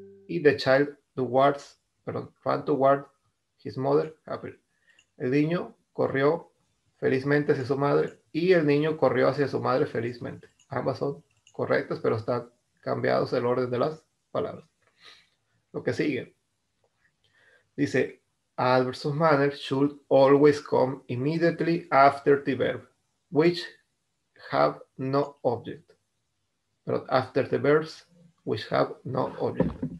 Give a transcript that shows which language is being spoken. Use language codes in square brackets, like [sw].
[en] Y the child towards, perdón, ran towards his mother happily. [es] El niño corrió felizmente hacia su madre y el niño corrió hacia su madre felizmente. Ambas son correctas, pero están cambiados el orden de las palabras. Lo que sigue. Dice, [en] adverbs of manner should always come immediately after the verb, which have no object. But after the verbs, which have no object.